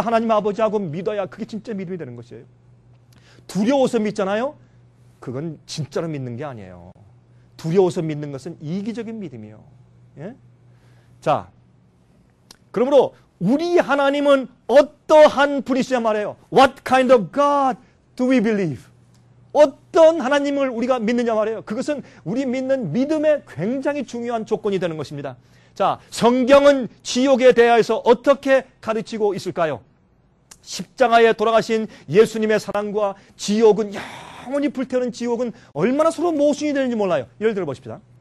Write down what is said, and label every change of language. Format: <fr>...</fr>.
<ko>하나님 아버지하고 믿어야 그게 진짜 믿음이 되는 것이에요. 두려워서 믿잖아요? 그건 진짜로 믿는 게 아니에요. 두려워서 믿는 것은 이기적인 믿음이에요. 예? 자, 그러므로 우리 하나님은 어떠한 분이시냐 말해요.</ko> <en>What kind of God do we believe?</en> <ko>어떤 하나님을 우리가 믿느냐 말해요. 그것은 우리 믿는 믿음의 굉장히 중요한 조건이 되는 것입니다. 자, 성경은 지옥에 대해서 어떻게 가르치고 있을까요? 십자가에 돌아가신 예수님의 사랑과 지옥은, 영원히 불태우는 지옥은 얼마나 서로 모순이 되는지 몰라요. 예를 들어 봅시다.</ko>